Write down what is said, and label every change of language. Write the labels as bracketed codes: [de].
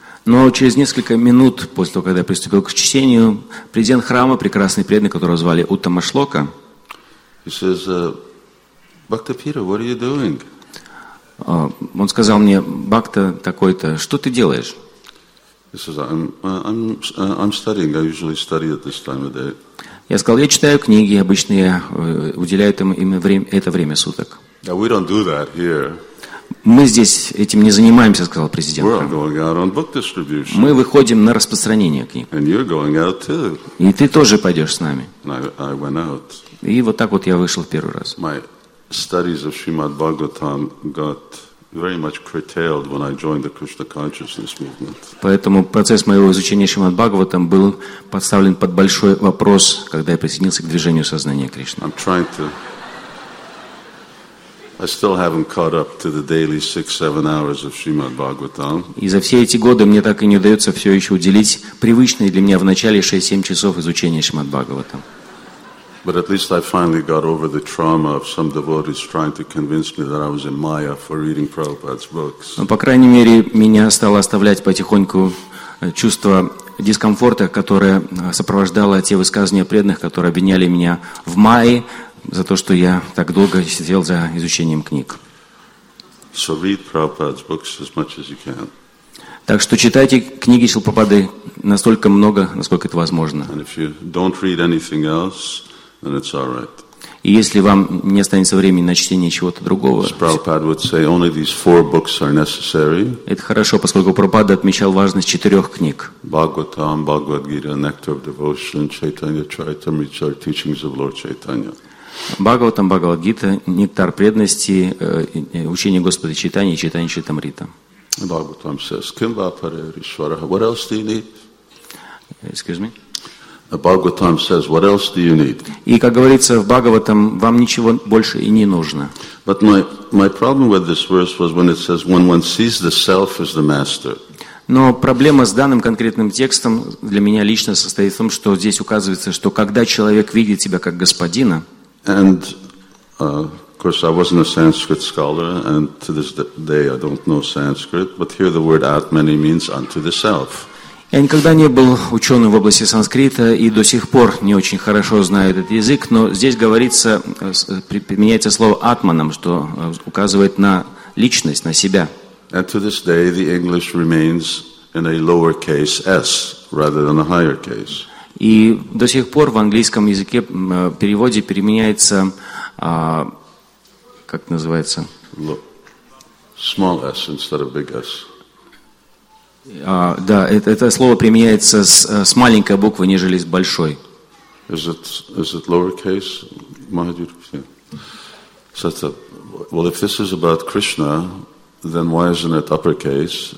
[ru] Но через несколько минут после того, когда я приступил к чтению, президент храма, прекрасный преданный, которого звали Уттама Шлока, [en] he says, Bhakta Peter, what are you doing? [ru] Он сказал мне, Бхакта такой-то, что ты делаешь? Я сказал, я читаю книги, обычно я уделяю им это время суток. [en] Now, we don't do that here. [ru] Мы здесь этим не занимаемся, сказал президент. [en] We're going out on book distribution. [ru] Мы выходим на распространение книг. [en] And you're going out too. [ru] И ты тоже пойдешь с нами. [en] And I went out. [ru] И вот так вот я вышел в первый раз. [en] My studies of Srimad Bhagavatam got very much curtailed when I joined the Krishna consciousness movement. [ru] Поэтому процесс моего изучения Шримад Бхагаватам был подставлен под большой вопрос, когда я присоединился к движению сознания Кришны. [en] I still haven't caught up to the daily 6-7 hours of Srimad Bhagavatam. [ru] И за все эти годы мне так и не удается все еще уделить привычные для меня в начале 6-7 часов изучения Шримад Бхагаватам. [en] But at least I finally got over the trauma of some devotees trying to convince me that I was in Maya for reading Prabhupada's books. [ru] Но, по крайней мере, меня стало оставлять потихоньку чувство дискомфорта, которое сопровождало те высказывания преданных, которые обвиняли меня в Майе за то, что я так долго сидел за изучением книг. [en] So read Prabhupada's books as much as you can. [ru] Так что читайте книги Шрилы Прабхупады настолько много, насколько это возможно. [en] And if you don't read anything else, then it's all right. [ru] И если вам не останется времени на чтение чего-то другого, [en] as Prabhupada would say, only these four books are necessary. [ru] Это хорошо, поскольку Прабхупада отмечал важность четырех книг. [en] Bhagavatam, Bhagavad Gita, Nectar of Devotion, Chaitanya Charitamrita, Teachings of Lord Chaitanya. [ru] Бхагаватам, Бхагавадгита, Нектар преданности, учение Господа Чайтаньи, Чайтанья Чайтамрита. Бхагаватам says, Kim Vapare Rishwara, [en] what else do you need? Excuse me? Bhagavatam says, what else do you need? [ru] И, как говорится, в Бхагаватам вам ничего больше и не нужно. [en] But my problem with this verse was when it says, when one sees the self as the master. [ru] Но проблема с данным конкретным текстом для меня лично состоит в том, что здесь указывается, что когда человек видит себя как господина, [en] and of course I wasn't a Sanskrit scholar and to this day I don't know Sanskrit, but here the word Atmani means unto the self. [ru] Я никогда не был ученым в области санскрита и до сих пор не очень хорошо знаю этот язык, но здесь говорится, применяется слово атманом, что указывает на личность, на себя. [en] And to this day the English remains in a lower case s rather than a higher case. [ru] И до сих пор в английском языке переводе применяется, как называется? [en] Small s instead of big s. [ru] Да, это слово применяется с маленькой буквы, нежели с большой. [en] Is it lowercase Mahadyurupa? Yeah. So it's a, well, if this is about Krishna, then why isn't it uppercase?